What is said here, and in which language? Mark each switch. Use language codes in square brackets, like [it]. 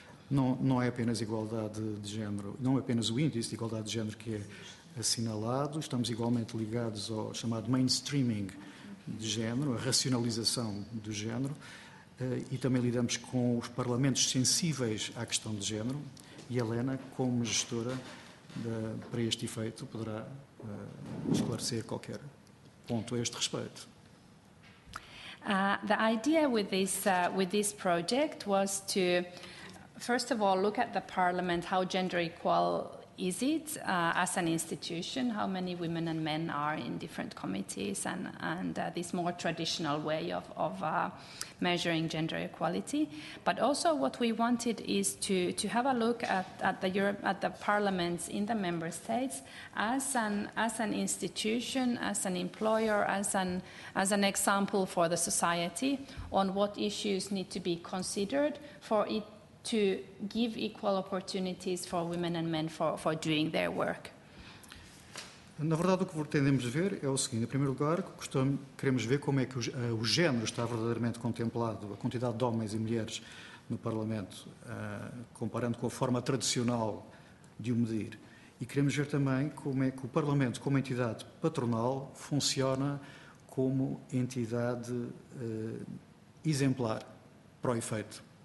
[pt] Não é apenas igualdade de género, não é apenas o índice de igualdade de género que é assinalado, estamos igualmente ligados ao chamado mainstreaming de género, a racionalização do género, e também lidamos com os parlamentos sensíveis à questão de género. E Helena, como gestora para este efeito, poderá esclarecer qualquer ponto a este respeito. [en] The idea with this project was to, first of all, look at the parliament, how gender equal is it as an institution, how many women and men are in different committees, and this more traditional way of measuring gender equality. But also what we wanted is to have a look at the parliaments in the member states as an institution, as an employer, as an example for the society on what issues need to be considered for it to give equal opportunities for women and men for doing their work. [pt] Na verdade, o que pretendemos ver é o seguinte. Em primeiro lugar, queremos ver como é que o género está verdadeiramente contemplado, a quantidade de homens e mulheres no Parlamento, comparando com a forma tradicional de o medir. E queremos ver também como é que o Parlamento, como entidade patronal, funciona como entidade exemplar para o efeito.